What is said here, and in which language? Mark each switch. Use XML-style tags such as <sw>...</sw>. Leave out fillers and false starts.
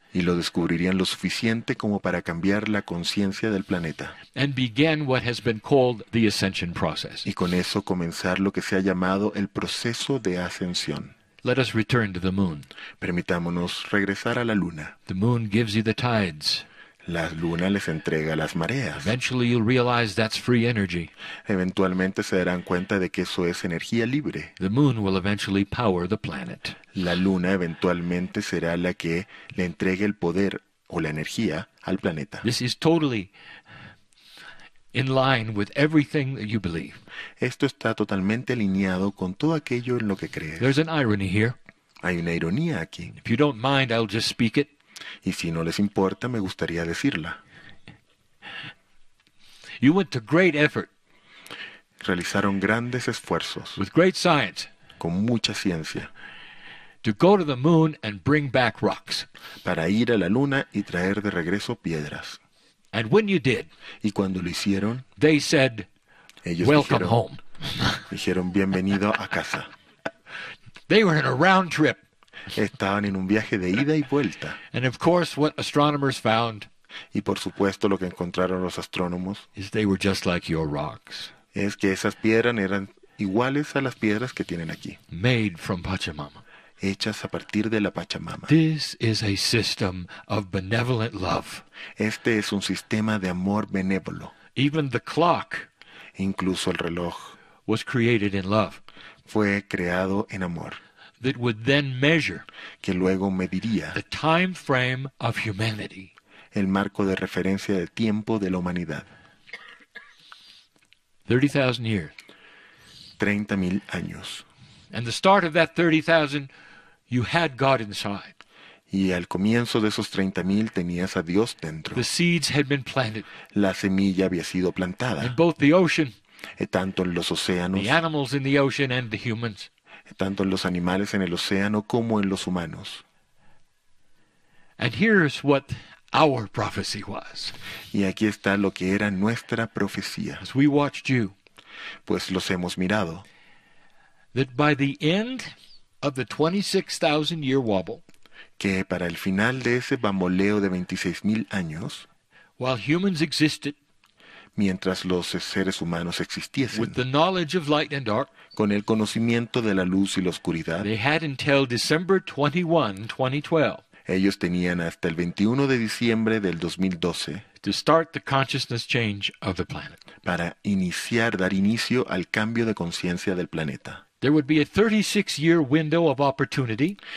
<es>Y lo descubrirían lo suficiente como para cambiar la conciencia del planeta.</es> <en>And begin what has been called the ascension process.</en> <es>Y con eso comenzar lo que se ha llamado el proceso de ascensión.</es> <en>Let us return to the moon.</en> <es>Permitámonos regresar a la luna.</es> <en>The moon gives you the tides.</en> <es>La luna les entrega las mareas.</es> <en>Eventually you'll realize that's free energy.</en> <es>Eventualmente se darán cuenta de que eso es energía libre.</es> <en>The moon will eventually power the planet.</en> <es>La luna eventualmente será la que le entregue el poder o la energía al planeta.</es> <en>This is totally in line with everything that you believe.</en> <es>Esto está totalmente alineado con todo aquello en lo que crees.</es> <en>There's an irony here.</en> <es>Hay una ironía aquí.</es> <en>If you don't mind, I'll just speak it.</en> <es>Y si no les importa, me gustaría decirla.</es> <en>You went to great effort.</en> <es>Realizaron grandes esfuerzos.</es> <en>With great science.</en> <es>Con mucha ciencia.</es> <en>To go to the moon and bring back rocks.</en> <es>Para ir a la luna y traer de regreso piedras.</es> <en>And when you did.</en> <es>Y cuando lo hicieron.</es> <en>They said,</en> <es>ellos</es> <en>welcome</en> <es>dijeron,</es> <en>home.</en> <es>Dijeron, bienvenido a casa.</es> <en>They were in a round trip.</en> <es>Estaban en un viaje de ida y vuelta.</es> <en>And of course, what astronomers found,</en> <es>y por supuesto lo que encontraron los astrónomos</es> <en>is they were just like your rocks.</en> <es>Es que esas piedras eran iguales a las piedras que tienen aquí.</es> <en>Made from Pachamama.</en> <es>Hechas a partir de la Pachamama.</es> <en>This is a system of benevolent love.</en> <es>Este es un sistema de amor benévolo.</es> <en>Even the clock,</en> <es>incluso el reloj,</es> <en>was created in love.</en> <es>Fue creado en amor.</es> <en>That would then measure</en> <es>que luego mediría</es> <en>the time frame of humanity.</en> <es>El marco de referencia de tiempo de la humanidad.</es> <en>30,000 years.</en> <es>30,000 años.</es> <en>And the start of that 30,000, you had God inside.</en> <es>Y al comienzo de esos 30,000 tenías a Dios dentro.</es> <en>The seeds had been planted.</en> <es>La semilla había sido plantada.</es> <en>In both the ocean,</en> <es>tanto en los océanos,</es> <en>the animals in the ocean and the humans.</en> <es>Tanto en los animales en el océano como en los humanos.</es> <en>And here's what our prophecy was.</en> <es>Y aquí está lo que era nuestra profecía.</es> <en>As we watched you,</en> <es>pues los hemos mirado.</es> <en>That by the end of the 26,000 year wobble,</en> <es>que para el final de ese bamboleo de 26,000 años,</es> <en>while humans existed,</en> <es>mientras los seres humanos existiesen,</es> <en>with the knowledge of light and dark,</en> <es>con el conocimiento de la luz y la oscuridad,</es> <en>they had until December 21, 2012,</en> <es>ellos tenían hasta el 21 de diciembre del 2012</es> <en>to start the consciousness change of the planet.</en> <es>Para iniciar, dar inicio al cambio de conciencia del planeta.</es> <en>There would be a 36-year window of opportunity.</en>